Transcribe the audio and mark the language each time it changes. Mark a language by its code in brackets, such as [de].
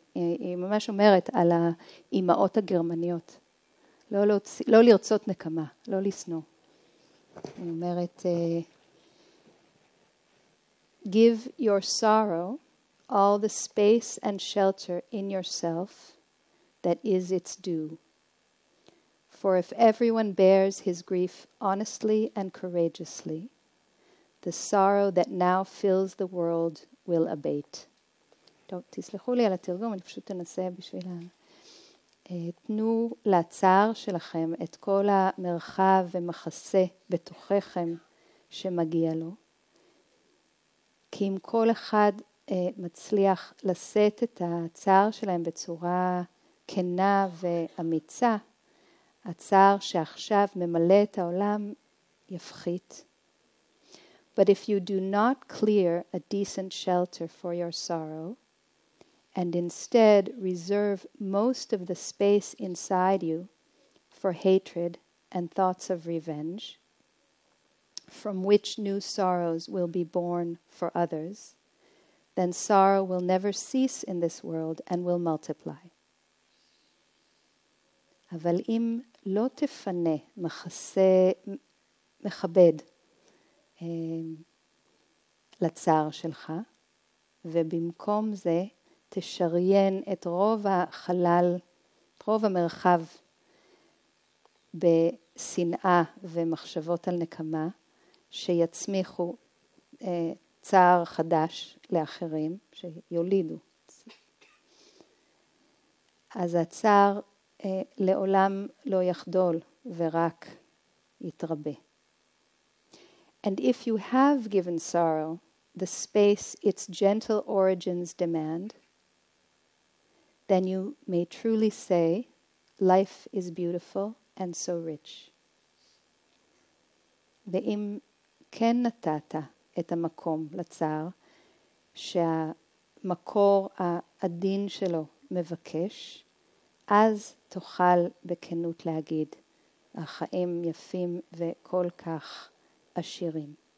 [he] היא ממש אומרת על האימהות הגרמניות. לא לרצות נקמה, לא לסנוע. היא אומרת, [en] give your sorrow all the space and shelter in yourself that is its due. For if everyone bears his grief honestly and courageously, the sorrow that now fills the world will abate. [he] טוב, תסלחו לי על התרגום, אני פשוט אנסה בשביל... תנו לצער שלכם את כל המרחב ומחסה בתוככם שמגיע לו. כי אם כל אחד מצליח לשאת את הצער שלהם בצורה כנה ואמיצה, הצער שעכשיו ממלא את העולם יפחית. [en] But if you do not clear a decent shelter for your sorrow, and instead reserve most of the space inside you for hatred and thoughts of revenge, from which new sorrows will be born for others, then sorrow will never cease in this world and will multiply. [he] אבל אם לא תפנה מחסה מכבד לצער שלך, ובמקום זה תשריין את רוב החלל, את רוב המרחב בשנאה ומחשבות על נקמה, שיצמיחו צער חדש לאחרים, שיולידו. אז הצער לעולם לא יחדול ורק יתרבה. [en] And if you have given sorrow the space its gentle origins demand, then you may truly say, life is beautiful and so rich. [he] ואם כן נתת את המקום לצער שהמקור העדין שלו מבקש, אז תוכל בכנות להגיד, החיים יפים וכל כך עשירים.